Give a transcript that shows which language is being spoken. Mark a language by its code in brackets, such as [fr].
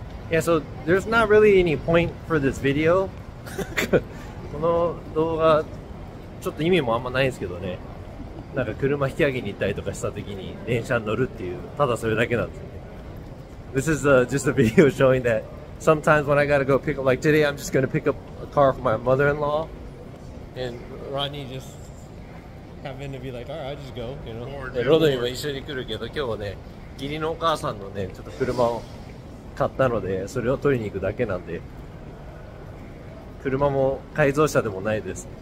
[en] Yeah, so there's not really any point for this video. [ja] この動画ちょっと意味もあんまないんですけどね。なんか車引き上げに行ったりとかした時に電車に乗るっていう、ただそれだけなんですよね。 [en] This is just a video showing that sometimes when I gotta go pick up, like today I'm just gonna pick up a car for my mother-in-law, and Rodney just happened to be like, alright, I'll just go, you know. [ja] ロドニーも一緒に来るけど、今日はね、義理のお母さんのね、ちょっと車を買ったので、それを取りに行くだけなんで、車も改造車でもないです。